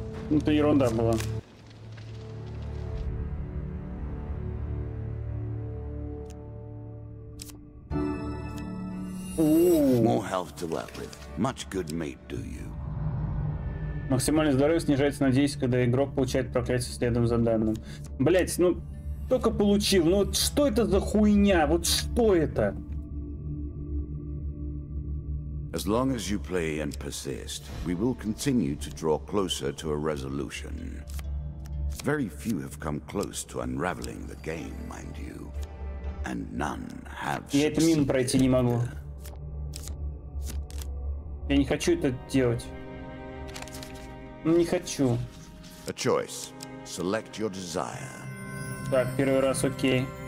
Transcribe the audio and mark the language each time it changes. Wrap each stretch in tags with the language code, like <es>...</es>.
<ru>Это ерунда была.</ru> <en>More health to work with. Much good mate, do you?</en> <ru>Максимальное здоровье снижается на 10, когда игрок получает проклятие следом за данным. Блять, ну только получил. Ну вот что это за хуйня? Вот что это?</ru> <en>As long as you play and persist, we will continue to draw closer to a resolution. Very few have come close to unraveling the game, mind you. And none have succeeded.</en> <ru>Я это мимо пройти не могу. Я не хочу это делать. Не хочу.</ru> <en>A choice. Select your desire.</en> <ru>Так, первый раз, окей.</ru>